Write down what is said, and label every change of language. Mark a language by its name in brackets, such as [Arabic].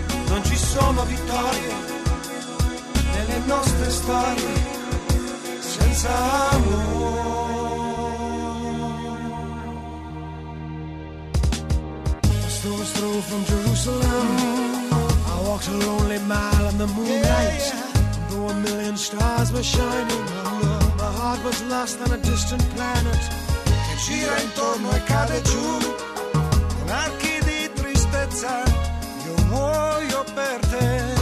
[Italian] Non ci sono vittorie nelle nostre storie senza amore. [English] Through a stroll from Jerusalem, I walked a lonely mile in the moonlight. Though a million stars were shining, my heart was lost on a distant planet. [Italian] Che gira intorno e cade giù, con archi di tristezza, io muoio per te.